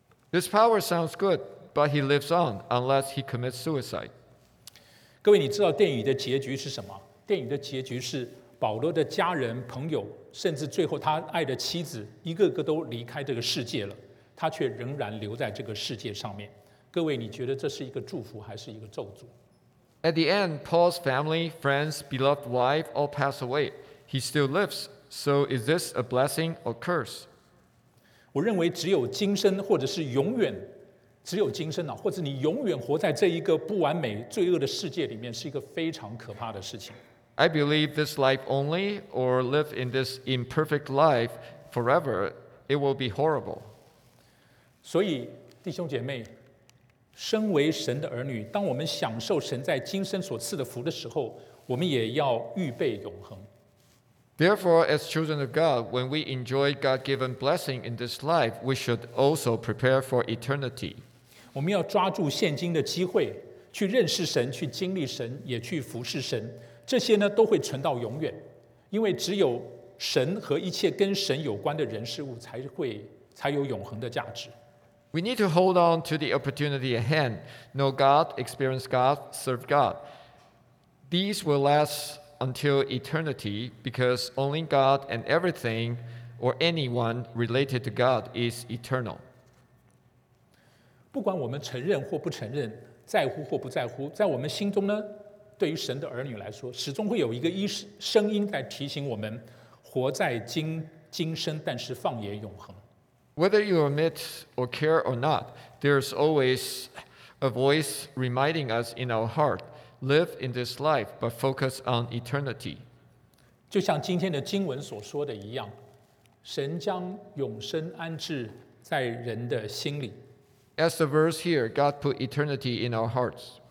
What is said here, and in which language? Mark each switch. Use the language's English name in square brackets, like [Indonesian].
[English] This power sounds good, but he lives on unless he commits suicide. [Chinese] 各位，你知道电影的结局是什么？电影的结局是保罗的家人、朋友，甚至最后他爱的妻子，一个个都离开这个世界了，他却仍然留在这个世界上面。各位，你觉得这是一个祝福还是一个咒诅 [English] ？At the end, Paul's family, friends, beloved wife all pass away. He still lives. So is this a blessing or curse? [Chinese] 我认为只有今生，或者是永远。只有今生啊，或者你永远活在这一个不完美、罪恶的世界里面，是一个非常可怕的事情。 [English] I believe this life only, or live in this imperfect life forever, it will be horrible. [Chinese] 所以，弟兄姐妹，身为神的儿女，当我们享受神在今生所赐的福的时候，我们也要预备永恒。 [English] Therefore, as children of God, when we enjoy God-given blessing in this life, we should also prepare for eternity. [Chinese] 我们要抓住现今的机会，去认识神，去经历神，也去服侍神。这些呢，都会存到永远，因为只有神和一切跟神有关的人事物才有永恒的价值。 [English] We need to hold on to the opportunity at hand. Know God, experience God, serve God. These will last. Until eternity, because only God and everything or anyone related to God is eternal. [Chinese] 不管我们承认或不承认，在乎或不在乎，在我们心中呢，对于神的儿女来说，始终会有一个声音在提醒我们，活在今生，但是放眼永恒。 [English] Whether you admit or care or not, there's always a voice reminding us in our heart. Live in this life, but focus on eternity. [Chinese] 就像今天的经文所说的一样，神将永生安置在人的心里。 [English] As the verse here, God put eternity in our hearts.